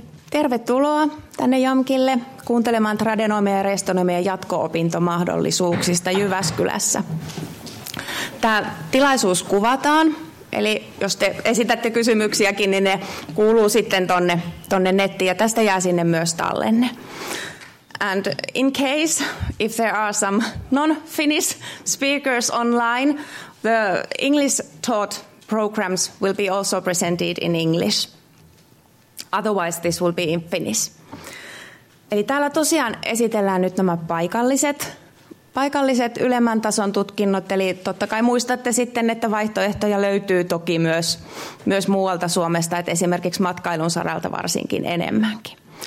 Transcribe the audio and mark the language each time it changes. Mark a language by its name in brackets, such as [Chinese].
[Finnish] Tervetuloa tänne JAMKille kuuntelemaan tradenomia ja restonomia ja jatko-opintomahdollisuuksista Jyväskylässä. Tämä tilaisuus kuvataan, eli jos te esitätte kysymyksiäkin, niin ne kuuluu sitten tonne nettiin ja tästä jää sinne myös tallenne. [English] And in case if there are some non-Finnish speakers online, the English taught programs will be also presented in English. Otherwise this will be in Finnish. [Finnish] Eli täällä tosiaan esitellään nyt nämä paikalliset ylemmän tason tutkinnot, eli totta kai muistatte sitten, että vaihtoehtoja löytyy toki myös muualta Suomesta, että esimerkiksi matkailun saralta varsinkin enemmänkin.